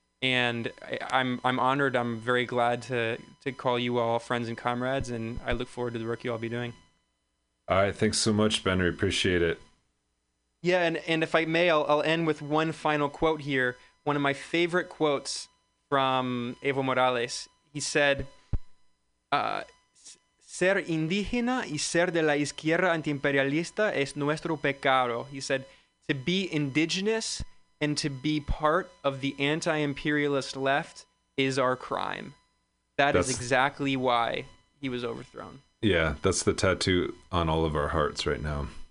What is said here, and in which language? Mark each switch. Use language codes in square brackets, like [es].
[en] And I'm honored. I'm very glad to call you all friends and comrades. And I look forward to the work you all be doing. All right. Thanks so much, Ben. I appreciate it. Yeah. And if I may, I'll end with one final quote here. One of my favorite quotes from Evo Morales. He said, [es] ser indígena y ser de la izquierda antiimperialista es nuestro pecado. [en] He said, to be indigenous and to be part of the anti-imperialist left is our crime. That's exactly why he was overthrown. Yeah, that's the tattoo on all of our hearts right now.